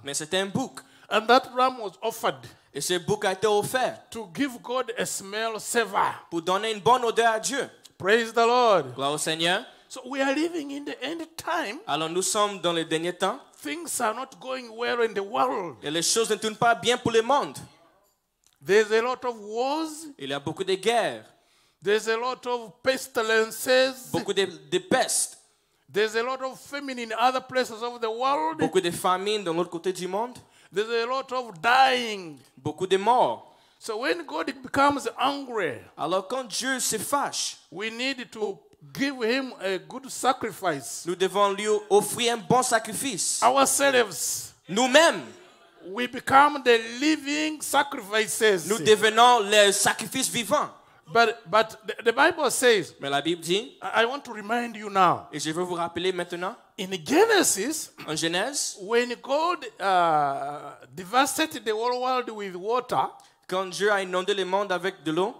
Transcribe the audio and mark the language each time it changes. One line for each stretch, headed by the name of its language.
French: Mais c'était un bouc.
English: And that ram was offered.
French: Et ce bouc a été offert.
English: To give God a smell savor.
French: Pour donner une bonne odeur à Dieu.
English: Praise the Lord.
French: Gloire au Seigneur.
English: So we are living in the end time.
French: Alors nous sommes dans les derniers temps.
English: Things are not going well in the world.
French: Et les choses ne tournent pas bien pour le monde.
English: There's a lot of wars.
French: Il y a beaucoup de guerres.
English: There's a lot of pestilences.
French: Beaucoup de pestes.
English: There's a lot of famine in other places of the world.
French: Beaucoup de famine dans l'autre côté du monde.
English: There's a lot of dying.
French: Beaucoup de morts.
English: So when God becomes angry,
French: alors quand Dieu se fâche,
English: we need to give him a good sacrifice.
French: Nous devons lui offrir un bon sacrifice.
English: Ourselves.
French: Nous-mêmes.
English: We become the living sacrifices.
French: Nous devenons les sacrifices vivants.
English: But the Bible says,
French: mais la Bible dit,
English: I want to remind you now.
French: Et je veux vous rappeler maintenant.
English: In Genesis,
French: en Genèse,
English: when God devastated the whole world with water,
French: quand Dieu a inondé le monde avec de l'eau,